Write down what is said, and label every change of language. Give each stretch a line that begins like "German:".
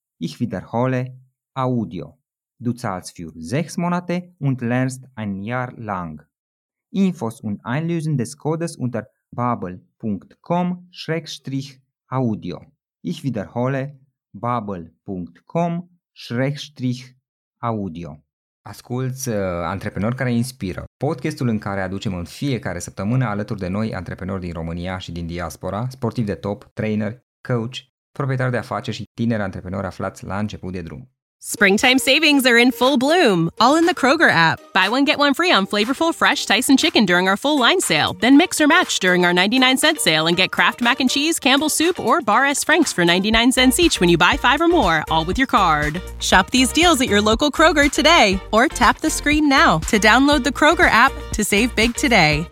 German: Ich wiederhole, AUDIO. Du zahlst für 6 Monate und lernst ein Jahr lang. Infos und Einlösen des Codes unter babbel.com/audio. Ich wiederhole, babbel.com/audio.
Romanian: Asculți Antreprenori care inspiră, podcastul în care aducem în fiecare săptămână alături de noi antreprenori din România și din diaspora, sportivi de top, trainer, coach, proprietari de afaceri și tineri antreprenori aflați la început de drum.
English: Springtime savings are in full bloom, all in the Kroger app. Buy one, get one free on flavorful fresh Tyson chicken during our full line sale. Then mix or match during our 99 cent sale and get Kraft mac and cheese, Campbell's soup, or Bar S Franks for 99 cents each when you buy 5 or more, all with your card. Shop these deals at your local Kroger today or tap the screen now to download the Kroger app to save big today.